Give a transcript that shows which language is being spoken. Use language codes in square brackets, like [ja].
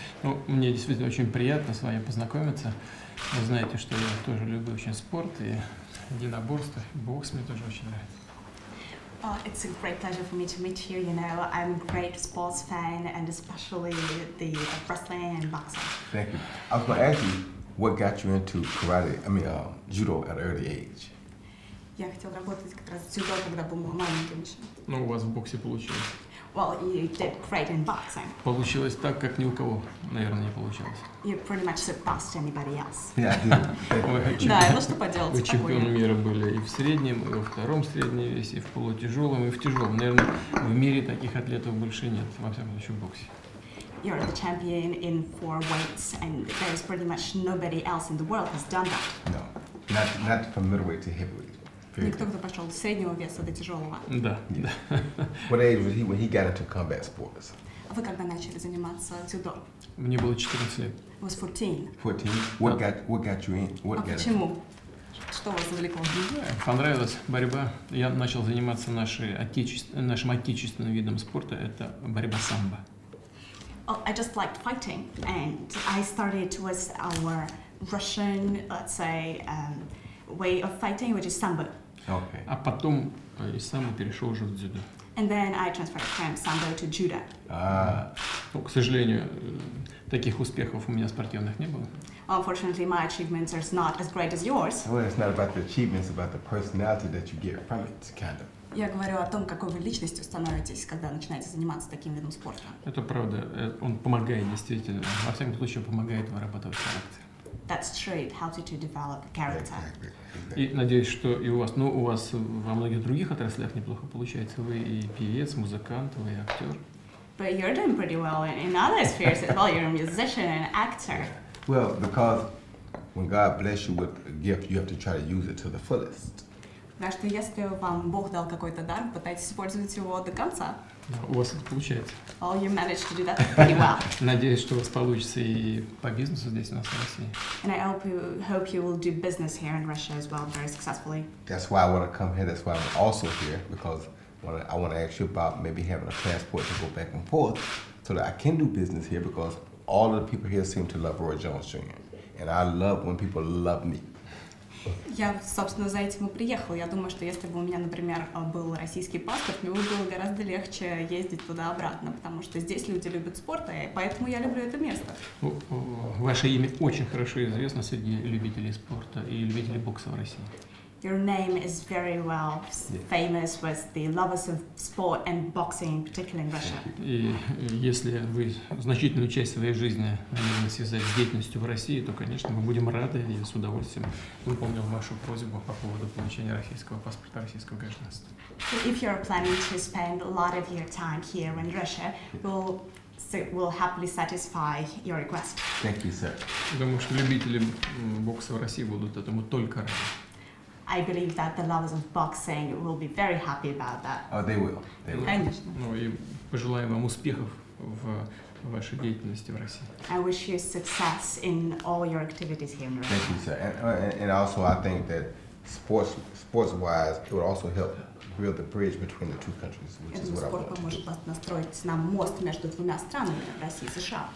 [ru] Ну, мне действительно очень приятно с вами познакомиться. Вы знаете, что я тоже люблю очень спорт и единоборство. Бокс мне тоже очень нравится. [en] Oh, it's a great pleasure for me to meet you. You know, I'm a great sports fan, and especially the wrestling and boxing. Thank you. I was going to ask you, what got you into karate? I mean, judo at an early age. [ru] Я хотел работать как раз дзюдо, когда был маленьким еще. Ну, у вас в боксе получилось. [en] Well, you did great in boxing. [ru] Получилось так, как ни у кого, наверное, не получилось. [en] You pretty much surpassed anybody else. Yeah, I did. [ru] Да, ну что поделать. Вы чемпион мира были и в среднем, и во втором среднем весе, и в полутяжелом, и в тяжелом. Наверное, в мире таких атлетов больше нет, во всяком случае, в боксе. [en] You're the champion in four weights, and there is pretty much nobody else in the world has done that. No, not from middleweight to heavyweight. [ru] Никто, кто пошел с среднего веса до тяжелого. Да. [en] What age was he when he got into combat sports? [ru] Вы когда начали заниматься дзюдо? Мне было 14 лет. [en] I was 14. 14? What got you in? What got [ru] почему? Что вас завлекло? Понравилась борьба. Я начал заниматься нашим отечественным видом спорта. Это борьба самбо. [en] Oh, I just liked fighting. And I started with our Russian, let's say, way of fighting, which is samba. Okay. [ru] А потом из самбо перешел уже в дзюдо. [en] And then I transferred from samba to judo. Ah. [ru] Ну, к сожалению, таких успехов у меня спортивных не было. [en] Unfortunately, my achievements are not as great as yours. Well, it's not about the achievements, it's about the personality that you get from it, kind of. [ru] Я говорю о том, какой вы личностью становитесь, когда начинаете заниматься таким видом спорта. Это правда. Он помогает действительно. Во всяком случае, помогает вырабатывать характер. [en] That's true. It helps you to develop character. [ru] И надеюсь, что и у вас, ну, у вас во многих других отраслях неплохо получается. Вы и певец, музыкант, вы и актер. [en] But you're doing pretty well in other spheres as well. You're a musician and actor. Well, because when God bless you with a gift, you have to try to use it to the fullest. [ru] Да, что если вам Бог дал какой-то дар, пытайтесь использовать его до конца. У вас это получается. [en] Well, you managed to do that pretty well. [ru] Надеюсь, что у вас получится и по бизнесу здесь, у нас в России. [en] And I hope you will do business here in Russia as well very successfully. That's why I want to come here, that's why I'm also here, because I want to ask you about maybe having a passport to go back and forth so that I can do business here, because all of the people here seem to love Roy Jones Jr. And I love when people love me. [ru] Я, собственно, за этим и приехал. Я думаю, что если бы у меня, например, был российский паспорт, мне было бы гораздо легче ездить туда-обратно, потому что здесь люди любят спорт, и поэтому я люблю это место. Ваше имя очень хорошо известно среди любителей спорта и любителей бокса в России. [en] Your name is very well famous with the lovers of sport and boxing, particularly in Russia. [ru] И если вы значительную часть своей жизни связали с деятельностью в России, то, конечно, мы будем рады и с удовольствием выполним вашу просьбу по поводу получения российского паспорта, российского гражданства. [en] So if you're planning to spend a lot of your time here in Russia, we'll happily satisfy your request. Thank you, sir. [ru] Думаю, что любители бокса в России будут этому только рады. [en] I believe that the lovers of boxing will be very happy about that. Oh, they will. They will. [ru] Ну, и пожелаю вам успехов в вашей деятельности в России. [en] I wish you success in all your activities here in Russia. Thank you, sir. And also, I think that sports-wise, it would also help build the bridge between the two countries, which is what I want. [ru] Спорт поможет построить нам мост между двумя странами, Россией и США.